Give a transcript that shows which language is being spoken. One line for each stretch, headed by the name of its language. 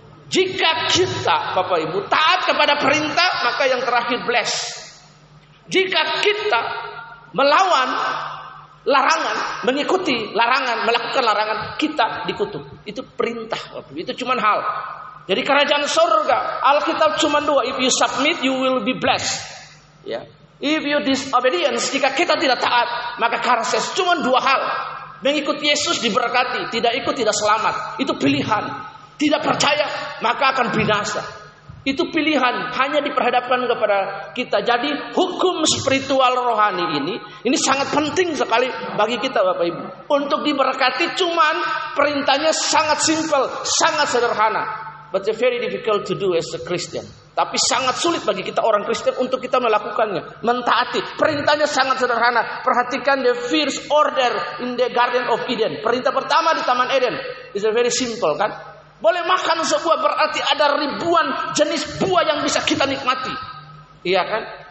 Indonesian: Jika kita, Bapak Ibu, taat kepada perintah, maka yang terakhir bless. Jika kita melawan larangan, mengikuti larangan, melakukan larangan, kita dikutuk. Itu perintah, Bapak Ibu. Itu cuma hal. Jadi kerajaan surga, Alkitab cuma dua.
English: If you submit, you will be blessed.
Indonesian: Ya.
English: If you disobedience,
Indonesian: jika kita tidak taat, maka curses. Cuma dua hal. Mengikuti Yesus diberkati, tidak ikut tidak selamat. Itu pilihan. Tidak percaya, maka akan binasa. Itu pilihan, hanya diperhadapkan kepada kita. Jadi hukum spiritual rohani ini sangat penting sekali bagi kita, Bapak Ibu. Untuk diberkati, cuman perintahnya sangat simple, sangat sederhana.
English: But it's very difficult to do as a Christian.
Indonesian: Tapi sangat sulit bagi kita orang Kristen untuk kita melakukannya. Mentaati. Perintahnya sangat sederhana. Perhatikan
English: the first order in the Garden of Eden.
Indonesian: Perintah pertama di Taman Eden.
English: It's very simple,
Indonesian: kan? Boleh makan sebuah berarti ada ribuan jenis buah yang bisa kita nikmati. Iya kan?